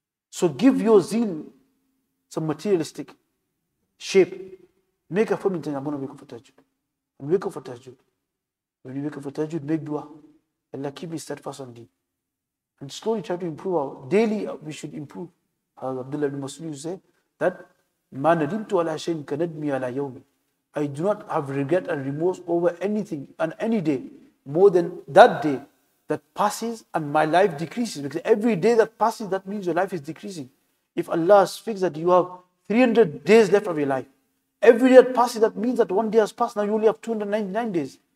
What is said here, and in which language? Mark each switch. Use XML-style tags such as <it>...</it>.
<en>So give your zeal some materialistic shape. Make a firm intention, I'm going to wake up for tahajjud. And wake up for tahajjud. When you wake up for tahajjud, make dua. Allah keep me steadfast on deen. And slowly try to improve our daily, we should improve. As Abdullah ibn Mas'ud say that,</en> <ar>مَا نَدِمْتُ عَلَىٰ شَيْءٍ كَنَدْمِي عَلَىٰ يَوْمِ.</ar> <en>I do not have regret and remorse over anything on any day more than that day that passes and my life decreases. Because every day that passes, that means your life is decreasing. If Allah speaks that you have 300 days left of your life, every day that passes, that means that one day has passed, now you only have 299 days.</en>